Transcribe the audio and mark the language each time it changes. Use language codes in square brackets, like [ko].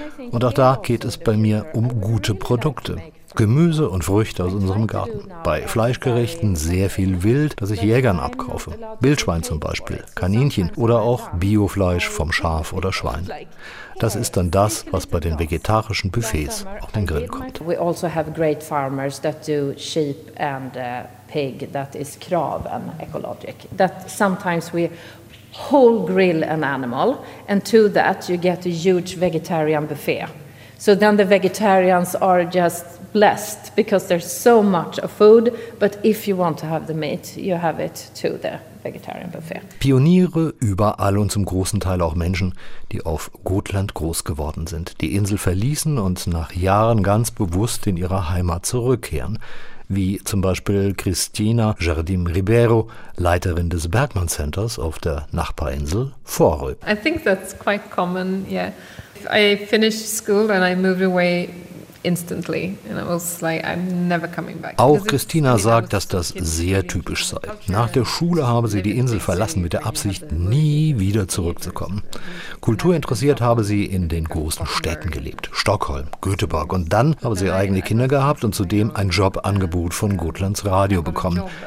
[de] Und auch da geht es bei mir um gute Produkte. Gemüse und Früchte aus unserem Garten. Bei Fleischgerichten sehr viel Wild, das ich Jägern abkaufe. Wildschwein zum Beispiel, Kaninchen oder auch Biofleisch vom Schaf oder Schwein. Das ist dann das, was bei den vegetarischen Buffets auf den Grill kommt. [en] We also have great farmers that do sheep and pig, that is krav and ecologic. That sometimes we whole grill an animal and to that you get a huge vegetarian buffet. So then the vegetarians are just blessed because there's so much of food, but if you want to have the meat, you have it to the vegetarian buffet. [de] Pioniere überall und zum großen Teil auch Menschen, die auf Gotland groß geworden sind, die Insel verließen und nach Jahren ganz bewusst in ihre Heimat zurückkehren. Wie zum Beispiel Christina Jardim Ribeiro, Leiterin des Bergmann Centers auf der Nachbarinsel Fårö. [en] I think that's quite common, yeah. I finished school and I moved away instantly and I was like, I'm never coming back. [de] Auch Christina sagt, dass das sehr typisch sei. Nach der Schule habe sie die Insel verlassen mit der Absicht, nie wieder zurückzukommen. Kulturinteressiert habe sie in den großen Städten gelebt, Stockholm, Göteborg, und dann habe sie eigene Kinder gehabt und zudem ein Jobangebot von Gotlands Radio bekommen.